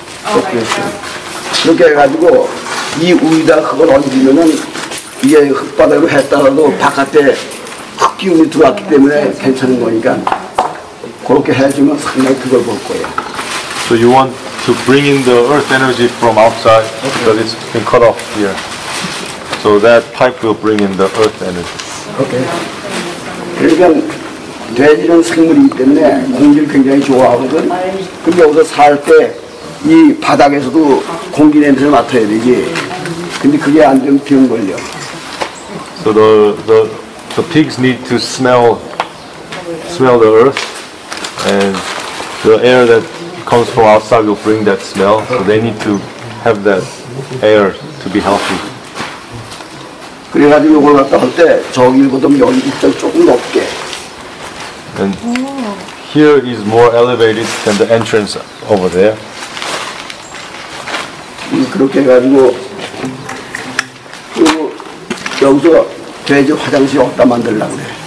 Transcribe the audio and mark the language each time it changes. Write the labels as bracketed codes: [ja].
[ko] okay. Oh, 이렇게 해가지고 이 위에다 그걸 얹으면은 위에 흙바닥으로 했다가도 바깥에 흙기운이 들어왔기 때문에 괜찮은 거니까 그렇게 해주면 상당히 그걸 볼 거예요. [en] So you want to bring in the earth energy from outside because it's been cut off here. So that pipe will bring in the earth energy. Okay. [ko] 그러니까 돼지는 생물이기 때문에 공기를 굉장히 좋아하거든. 근데 여기서 살 때 이 바닥에서도 공기 냄새를 맡아야 되지. 근데 그게 안 되면 병 걸려. [en] So the pigs need to smell the earth, and the air that comes from outside will bring that smell. So they need to have that air to be healthy. [ko] 그래가지고 이걸 갖다 할 때 저기보다 여기 입장 조금 높게. [en] And here is more elevated than the entrance over there. [ko] 그렇게 해가지고 여기서 돼지 화장실 없다 만들려고 그래.